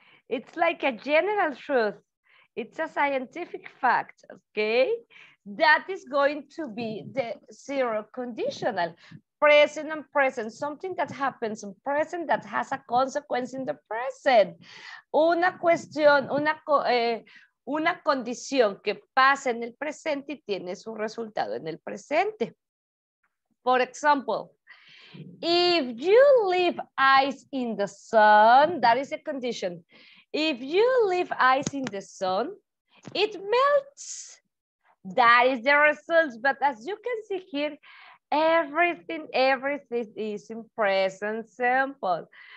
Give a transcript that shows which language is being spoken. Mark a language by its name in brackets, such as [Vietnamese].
[English] It's like a general truth. It's a scientific fact, okay? That is going to be the zero conditional, present and present, something that happens in present that has a consequence in the present. [Spanish] Una cuestión, una condición que pasa en el presente y tiene su resultado en el presente. [English] For example, if you leave ice in the sun, that is a condition. If you leave ice in the sun, it melts. That is the result. But as you can see here, everything is in present simple.